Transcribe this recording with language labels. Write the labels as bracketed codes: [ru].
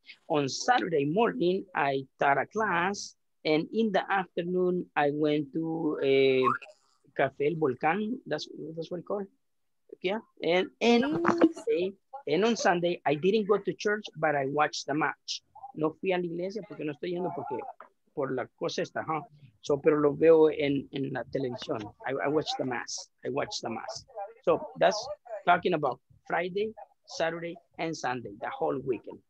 [en] On Saturday morning, I taught a class, and in the afternoon, I went to Café El Volcán, that's what it's called, yeah? And on Sunday, And on Sunday, I didn't go to church, but I watched the match. [es] No fui a la iglesia porque no estoy yendo porque por la cosa esta, huh? [en] So, [es] pero lo veo en la televisión. [en] I watched the mass. I watched the mass. So that's talking about Friday, Saturday, and Sunday, the whole weekend.